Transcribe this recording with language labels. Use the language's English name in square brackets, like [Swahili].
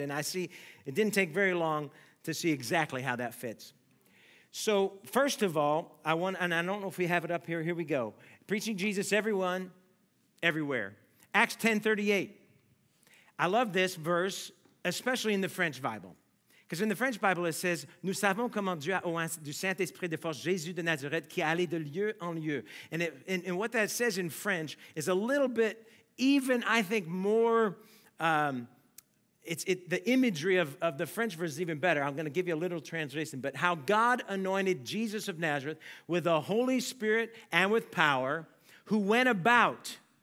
[English] And I see it didn't take very long to see exactly how that fits. So first of all, I want, and I don't know if we have it up here. Here we go. Preaching Jesus, everyone, everywhere. Acts 10:38. I love this verse, especially in the French Bible. Because in the French Bible, it says, [French] nous savons comment Dieu a oint du Saint-Esprit de force Jésus de Nazareth qui allait de lieu en lieu. [English] And, it, and what that says in French is a little bit, even I think more, it's the imagery of the French verse is even better. I'm going to give you a literal translation. But how God anointed Jesus of Nazareth with the Holy Spirit and with power, who went about.